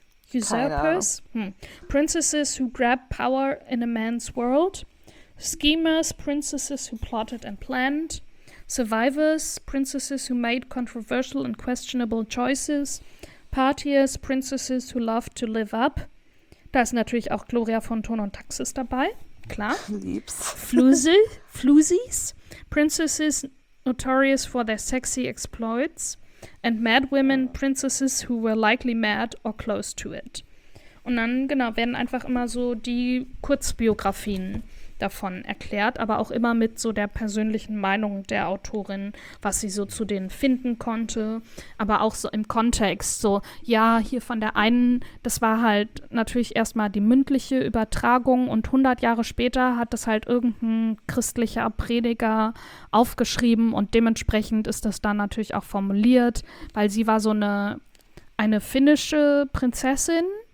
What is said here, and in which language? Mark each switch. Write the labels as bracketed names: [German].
[English] Usurpers, princesses who grab power in a man's world, schemers, princesses who plotted and planned, survivors, princesses who made controversial and questionable choices, partiers, princesses who loved to live up. [German] Da ist natürlich auch Gloria von Thurn und Taxis dabei, klar. Liebs. [English] Flusies, princesses notorious for their sexy exploits. And mad women, princesses who were likely mad or close to it. [German] Und dann, genau, werden einfach immer so die Kurzbiografien davon erklärt, aber auch immer mit so der persönlichen Meinung der Autorin, was sie so zu denen finden konnte, aber auch so im Kontext, so, ja, hier von der einen, das war halt natürlich erstmal die mündliche Übertragung und 100 Jahre später hat das halt irgendein christlicher Prediger aufgeschrieben und dementsprechend ist das dann natürlich auch formuliert, weil sie war so eine finnische Prinzessin